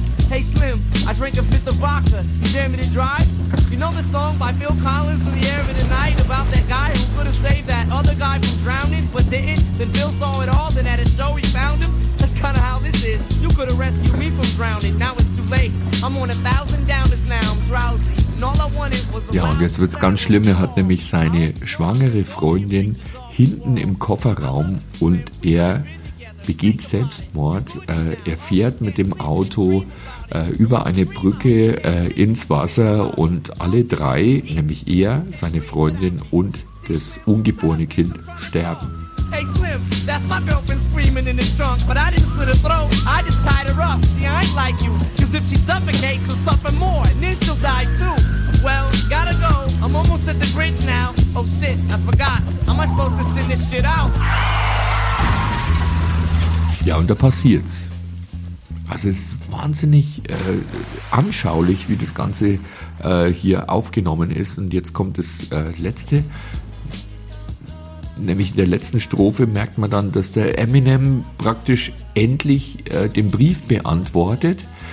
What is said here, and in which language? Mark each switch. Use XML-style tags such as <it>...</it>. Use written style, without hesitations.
<en>Hey Slim, I drink a fifth of vodka. You dare me to drive? You know the song by Phil Collins in the air of the night about that guy who could have saved that other guy from drowning but didn't? Then Phil saw it all, then at a show he found him? That's kind of how this is. You could have rescued me from drowning. Now it's too late. I'm on 1,000 downers now. I'm drowsy. And all I wanted was a...</en> <de>Ja, und jetzt wird's ganz schlimm. Er hat nämlich seine schwangere Freundin hinten im Kofferraum und er begeht Selbstmord. Er fährt mit dem Auto über eine Brücke ins Wasser und alle drei, nämlich er, seine Freundin und das ungeborene Kind, sterben.</de> <en>Hey Slim, that's my girlfriend screaming in the trunk, but I didn't slit her throat, I just tied her up. See, I ain't like you, cause if she suffocates, she'll suffer more, and then she'll die too. Well, gotta go, I'm almost at the bridge now. Oh shit, I forgot, am I supposed to send this shit out?</en> <de>Ja, und da passiert's. Also es ist wahnsinnig anschaulich, wie das Ganze hier aufgenommen ist. Und jetzt kommt das Letzte. Nämlich in der letzten Strophe merkt man dann, dass der Eminem praktisch endlich den Brief beantwortet.</de>